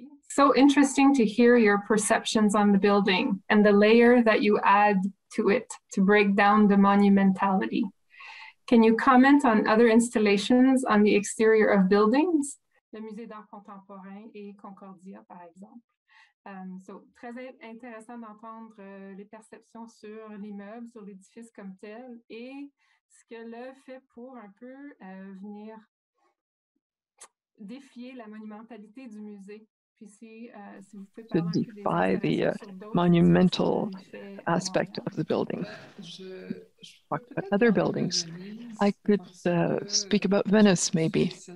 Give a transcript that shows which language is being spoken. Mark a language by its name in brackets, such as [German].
[English] So interesting to hear your perceptions on the building and the layer that you add to it to break down the monumentality. Can you comment on other installations on the exterior of buildings? [French] The Musée d'Art Contemporain et Concordia, par exemple. So, très intéressant d'entendre les perceptions sur l'immeuble, sur l'édifice comme tel, et ce que l'œuvre fait pour un peu venir défier la monumentalité du musée. [English] To defy the monumental aspect of the building. Talk about other buildings. I could speak about Venice, maybe.